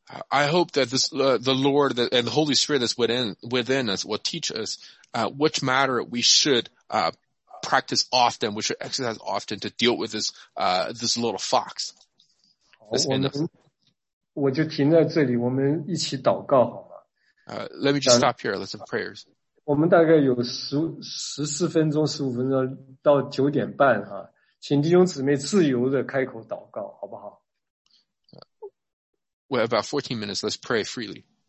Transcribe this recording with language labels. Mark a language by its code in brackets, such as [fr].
[en] I hope that this, the Lord and the Holy Spirit that's within us will teach us which matter we should practice often, we should exercise often to deal with this, this little fox. This [zh] 我就停在这里，我们一起祷告好吗？ [en] Let me just stop here. Let's have prayers. [zh] 我们大概有14分钟、15分钟到9:30哈，请弟兄姊妹自由的开口祷告，好不好？ [en] We have about 14 minutes. Let's pray freely.